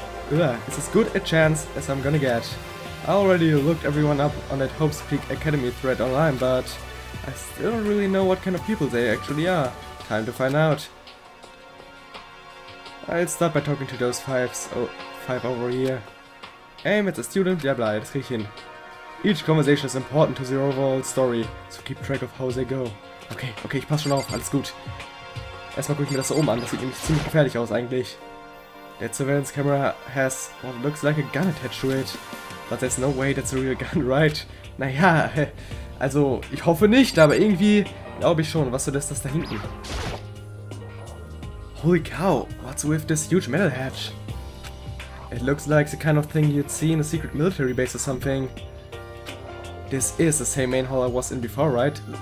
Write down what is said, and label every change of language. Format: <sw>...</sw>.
<en>it's as good a chance as I'm gonna get. I already looked everyone up on that Hope's Peak Academy thread online, but I still don't really know what kind of people they actually are. Time to find out. I'll start by talking to those five over here. Aim, it's a student, blah blah,</en> <de>das krieg ich hin.</de> <en>Each conversation is important to the overall story, so keep track of how they go.</en> <de>Okay, ich pass schon auf, alles gut. Erstmal gucke ich mir das da oben an, das sieht nämlich ziemlich gefährlich aus eigentlich.</de> <en>That surveillance camera has what looks like a gun attached to it. But there's no way that's a real gun, right?</en> <de>Naja, also ich hoffe nicht, aber irgendwie glaube ich schon. Was soll das da hinten? Holy cow, what's with this huge metal hatch? It looks like the kind of thing you'd see in a secret military base or something. This is the same main hall I was in before, right?</de>